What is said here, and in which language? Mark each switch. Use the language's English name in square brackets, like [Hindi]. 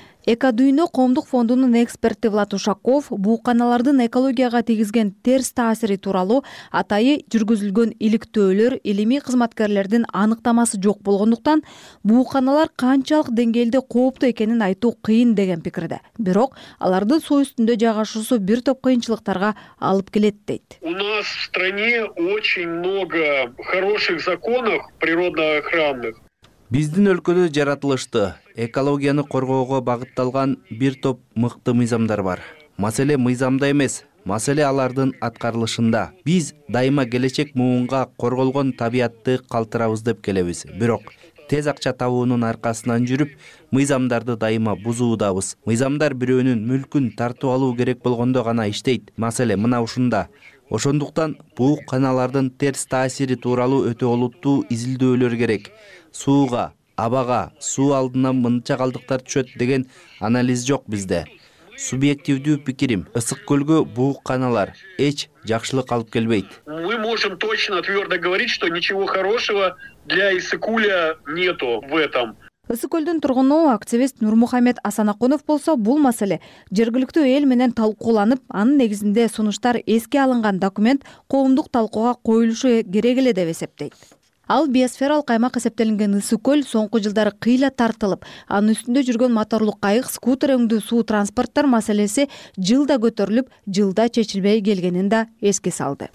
[Kyrgyz] экодүйнө коомдук фондунун эксперти Влад Ушаков бууканалардын экологияга тийгизген терс таасири тууралуу атайы жүргүзүлгөн иликтөөлөр илимий кызматкерлердин аныктамасы жок болгондуктан бууканалар канчалык деңгээлде кооптуу экенин айтуу кыйын деген пикирде бирок алардын суу үстүндө жайгашуусу бир топ кыйынчылыктарга алып келет дейт [Russian] у нас в стране очень много хороших законов природно охранных [Kyrgyz] биздин өлкөдө жаратылышты экологияны коргоого багытталган бир топ мыкты мыйзамдар бар маселе мыйзамда эмес маселе алардын аткарылышында биз дайыма келечек муунга корголгон табиятты калтырабыз деп келебиз бирок тез акча табуунун аркасынан жүрүп мыйзамдарды дайыма бузуудабыз мыйзамдар бирөөнүн мүлкүн тартып алуу керек болгондо гана иштейт маселе мына ушунда ошондуктан бууканалардын терс таасири тууралуу өтө олуттуу изилдөөлөр керек сууга абага суу алдына мынча калдыктар түшөт деген анализ жок бизде субъективдүү пикирим ысык көлгө бууканалар эч жакшылык алып келбейт [Russian] мы можем точно твердо говорить что ничего хорошего для Ысык-Куля нету в этом [Kyrgyz] ысык көлдүн тургуну активист Нурмухамед Асанаконов болсо бул маселе жергиликтүү эл менен талкууланып анын негизинде сунуштар эске алынган документ коомдук талкууга коюлушу керек эле деп эсептейт ал биосфералык аймак эсептелинген ысык көл соңку жылдары кыйла тартылып анын үстүндө жүргөн моторлук кайык скутер өңдүү суу транспорттор маселеси жылда көтөрүлүп жылда чечилбей келгенин да эске салды